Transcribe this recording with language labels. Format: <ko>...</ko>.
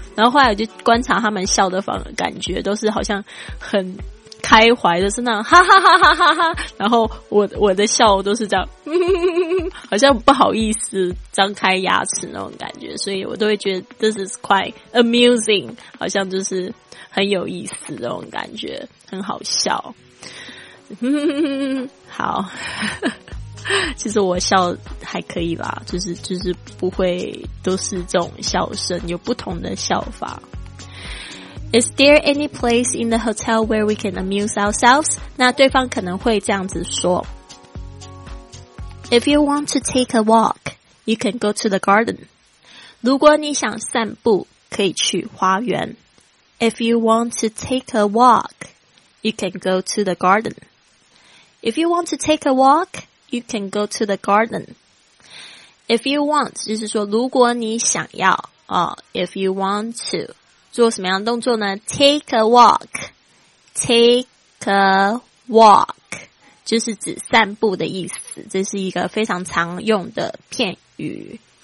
<zh>然后后来我就观察他们笑的感觉，都是好像很开怀的，是那样哈哈哈哈哈哈，然后我的笑都是这样，好像不好意思张开牙齿那种感觉，所以我都会觉得</zh> <en>this is quite amusing,</en> <zh>好像就是很有意思那种感觉，很好笑。好，其实我笑还可以啦，就是不会都是这种笑声，有不同的笑法。</zh> <en>Is there any place in the hotel where we can amuse ourselves?</en> <zh>那对方可能会这样子说。</zh> <en>If you want to take a walk, you can go to the garden.</en> <zh>如果你想散步，可以去花园。</zh> <en>If you want to take a walk, you can go to the garden. If you want to take a walk, you can go to the garden. If you want,</en> <zh>就是说如果你想要if you want to,做什么样的动作呢 ?</zh> <en>take a walk, take a walk,</en> <zh>就是指散步的意思，这是一个非常常用的片语。</zh>